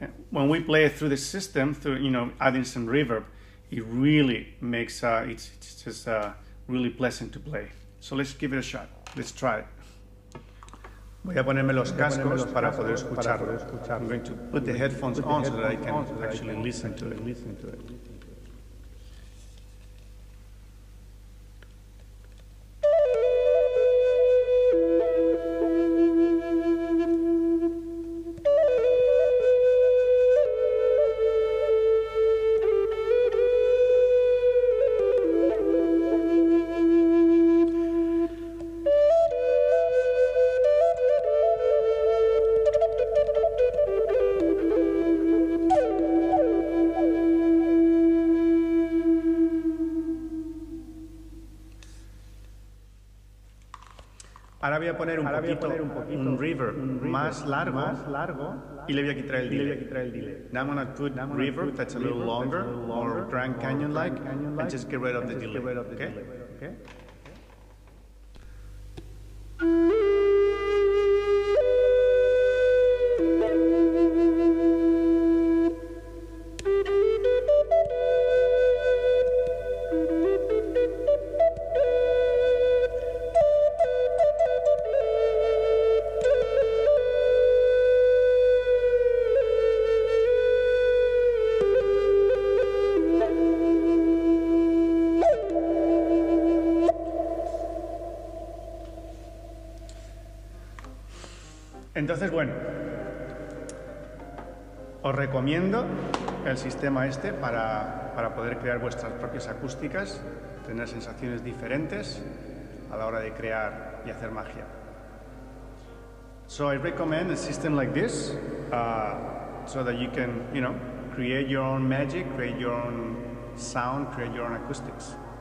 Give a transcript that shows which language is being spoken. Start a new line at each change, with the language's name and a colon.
English: When we play it through the system, through, you know, adding some reverb, it really makes it's just really pleasant to play. So let's give it a shot. Let's try it.
Spanish: Voy a ponerme los cascos para poder escucharlo.
English: I'm going to put the headphones on so that I can actually listen to it.
Spanish: Ahora voy a poner un reverb más largo y le voy a quitar el delay.
English: Now I'm going to put reverb that's a little longer, more Grand Canyon-like, and just get rid of the delay, okay?
Spanish: Entonces, bueno, os recomiendo el sistema este para poder crear vuestras propias acústicas, tener sensaciones diferentes a la hora de crear y hacer magia.
English: So I recommend a system like this so that you can, you know, create your own magic, create your own sound, create your own acoustics.